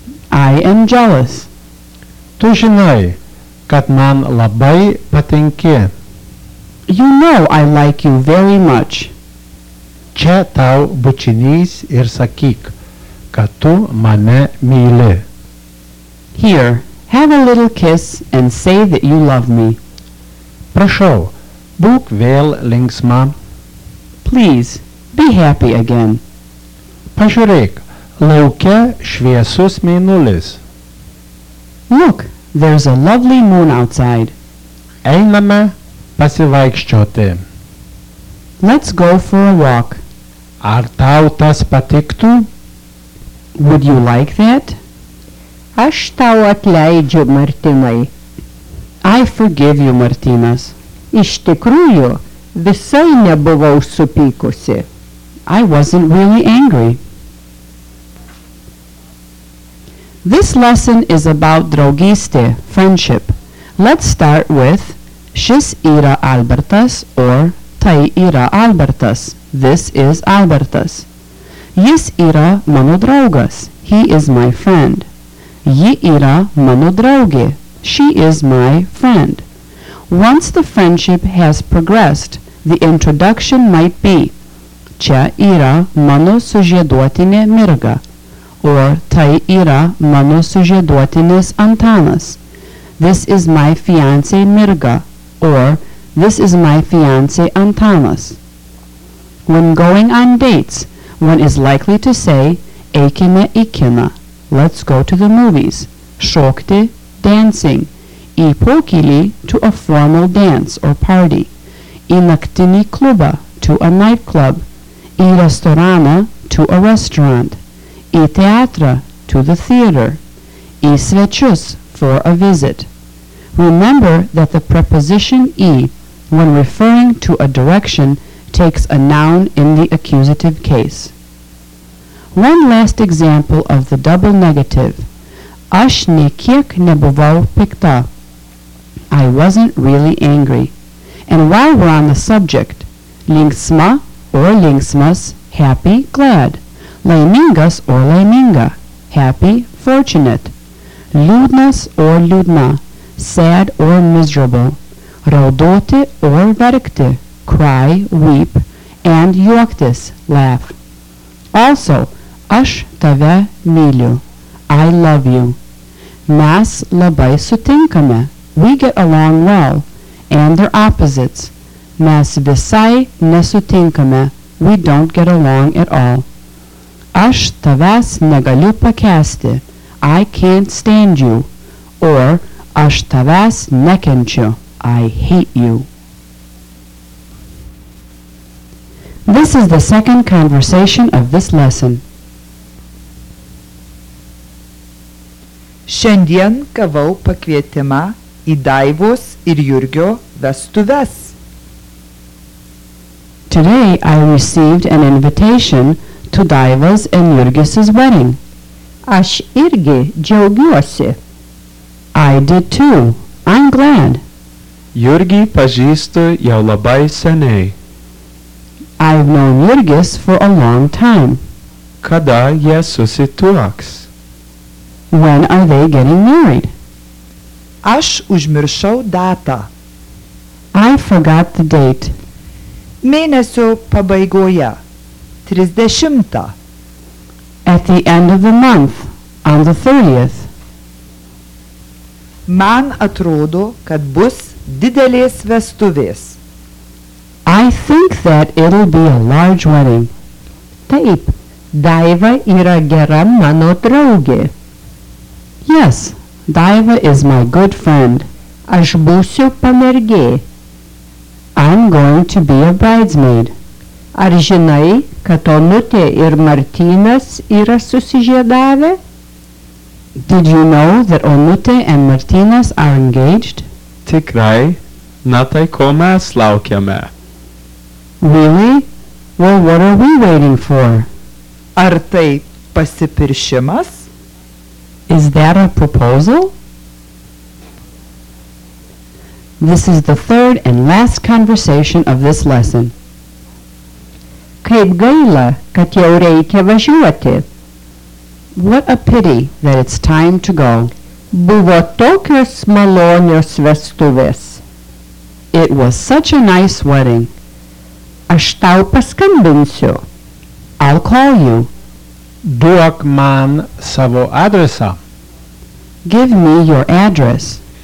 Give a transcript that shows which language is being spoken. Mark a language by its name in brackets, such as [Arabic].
[English] I am jealous. [Lithuanian] Tu žinai, kad man labai patinki. [English] You know I like you very much. [Lithuanian] Čia tau bučinys ir sakyk, kad tu mane myli. [English] Here, have a little kiss and say that you love me. [Lithuanian] Prašau, būk vėl linksma. [English] Please, be happy again. [Lithuanian] Pažiūrėk, lauke šviesus mėnulis. [English] Look, there's a lovely moon outside. [Lithuanian] Einame pasivaikščioti. [English] Let's go for a walk. [Lithuanian] Ar tau tas patiktų? [English] Would you like that? [Lithuanian] Aš tau atleidžiu, Martinai. [English] I forgive you, Martinas. [Lithuanian] Iš tikrųjų, visai nebuvau supykusi. [English] I wasn't really angry. This lesson is about draugystė, friendship. Let's start with [Lithuanian] Šis yra Albertas, or tai yra Albertas. [English] This is Albertas. [Lithuanian] Jis yra mano draugas. [English] He is my friend. [Lithuanian] Ji yra mano draugė. [English] She is my friend. Once the friendship has progressed, the introduction might be. [Lithuanian] Čia yra mano sužieduotinė Mirga. Or tai yra mano sužieduotinis Antanas. [English] This is my fiancé Mirga. Or this is my fiancé Antanas. When going on dates, one is likely to say, [Lithuanian] eikime į kiną. [English] Let's go to the movies. Šokti, dancing. [Lithuanian] Į pokylį, [English] to a formal dance or party. [Lithuanian] Į naktinį klubą, [English] to a nightclub. [Lithuanian] Į restoraną, [English] to a restaurant. [Lithuanian] Į teatrą, [English] to the theater. [Lithuanian] Į svečius, [English] for a visit. Remember that the preposition į, when referring to a direction, takes a noun in the accusative case. One last example of the double negative. [Lithuanian] Aš nė kiek nebuvau pikta. [English] I wasn't really angry. And while we're on the subject, linksma or linksmas, happy, glad. Laimingas or laiminga, happy, fortunate. Liūdnas or liūdna, sad or miserable. Raudoti or verkti, cry, weep, and juoktis, laugh. Also, [Lithuanian] aš tave myliu, [English] I love you. [Lithuanian] Mes labai sutinkame, [English] we get along well, and their opposites. [Lithuanian] Mes visai nesutinkame, [English] we don't get along at all. [Lithuanian] Aš tavęs negaliu pakęsti, [English] I can't stand you. Or, [Lithuanian] aš tavęs nekenčiu, [English] I hate you. This is the second conversation of this lesson. [Lithuanian] Šiandien gavau pakvietimą į Daivos ir Jurgio vestuves. [English] Today I received an invitation to Daivos and Jurgis' wedding. [Lithuanian] Aš irgi džiaugiuosi. [English] I did too. I'm glad. [Lithuanian] Jurgį pažįstu jau labai seniai. [English] I've known Jurgis for a long time. [Lithuanian] Kada jie susituoks? [English] When are they getting married? [Lithuanian] Aš užmiršau datą. [English] I forgot the date. [Lithuanian] Mėnesio pabaigoje. 30. [English] At the end of the month, on the 30th. [Lithuanian] Man atrodo, kad bus didelės vestuvės. [English] I think that it'll be a large wedding. [Lithuanian] Taip, Daiva yra gera mano draugė. [English] Yes, Daiva is my good friend. [Lithuanian] Aš būsiu pamergė. [English] I'm going to be a bridesmaid. [Lithuanian] Ar žinai, kad Onutė ir Martynas yra susižiedavę? [English] Did you know that Onutė and Martynas are engaged? [Lithuanian] Tikrai, na tai ko mes laukiame? [English] Really? Well, what are we waiting for? [Lithuanian] Ar tai pasipiršimas? [English] Is that a proposal? This is the third and last conversation of this lesson. [Lithuanian] Kaip gaila, kad jau reikia važiuoti. [English] What a pity that it's time to go. [Lithuanian] Buvo tokios malonios vestuvės. [English] It was such a nice wedding. [Lithuanian] Aš tau paskambinsiu. [English] I'll call you. [Lithuanian] Duok man savo adresą. [English] Give me your address.